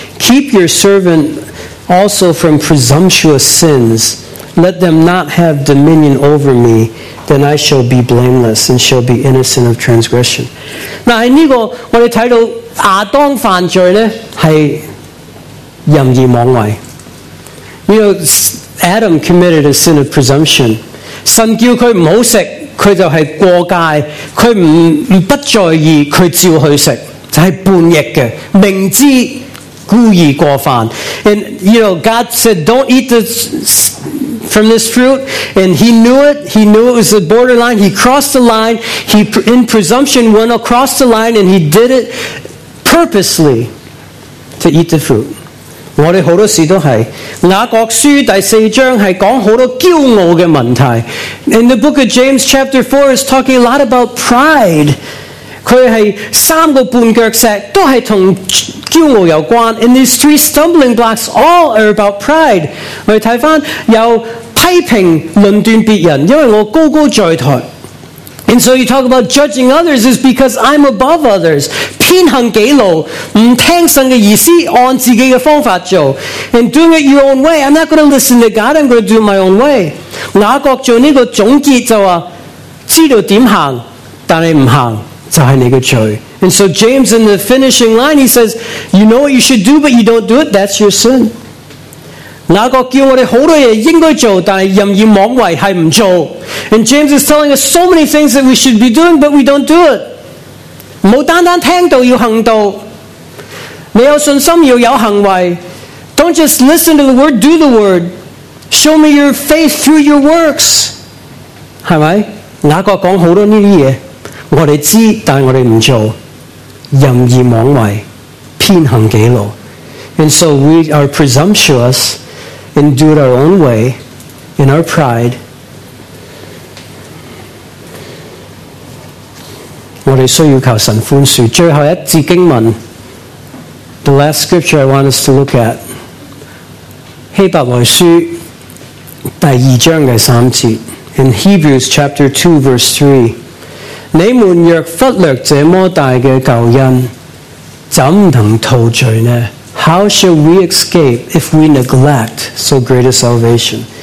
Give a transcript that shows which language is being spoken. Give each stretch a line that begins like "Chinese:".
English: Keep your servant also from presumptuous sins. Let them not have dominion over me. Then I shall be blameless and shall be innocent of transgression.
Chinese: 那在这个我们看到亚当犯罪呢，是任意妄为。
English: You know, Adam committed a sin of presumption.
Chinese: 神叫他不要吃，他就是过戒，他 不在意，他照去吃，就是叛逆的，明知故意过犯。
English: And you know, God said, don't eat this from this fruit. And he knew it. He knew it was the borderline. He crossed the line. He, in presumption, went across the line, and he did it purposely to eat the fruit.
Chinese: 我们很多事都是雅各书第四章是讲很多骄傲的问题。
English: In the book of James chapter 4 is talking a lot about pride.
Chinese: 它是三个半脚石都是跟骄傲有关。
English: And these three stumbling blocks all are about pride.
Chinese: 我们看回有批评论断别人，因为我高高在台。
English: And so you talk about judging others is because I'm above others.
Chinese: 偏行己路，不听神的意思，按自己的方法做。
English: And doing it your own way, I'm not going to listen to God, I'm going to do it my own way.
Chinese: 雅各做这个总结就说，知道怎么行，但是不行，就是你的罪。
English: And so James in the finishing line, he says, you know what you should do, but you don't do it, that's your sin.
Chinese: 雅各叫我们很多事应该做，但是任意妄为是不做。
English: And James is telling us so many things that we should be doing, but we don't do it.
Chinese: 不单单听到要行道，你有信心要有行为。
English: Don't just listen to the word, do the word. Show me your faith through your works.
Chinese: 是不是雅各讲很多这些事，我们知道但我们不做，任意妄为，偏行己路。
English: And so we are presumptuous and do it our own way in our pride.
Chinese: 我们需要求神宽恕。最后一节经文，
English: The last scripture I want us to look at，
Chinese: 希伯来书第二章的三节，
English: In Hebrews chapter 2 verse 3，
Chinese: 你们若忽略这么大的救恩，怎能脱罪呢？
English: How shall we escape if we neglect so great a salvation?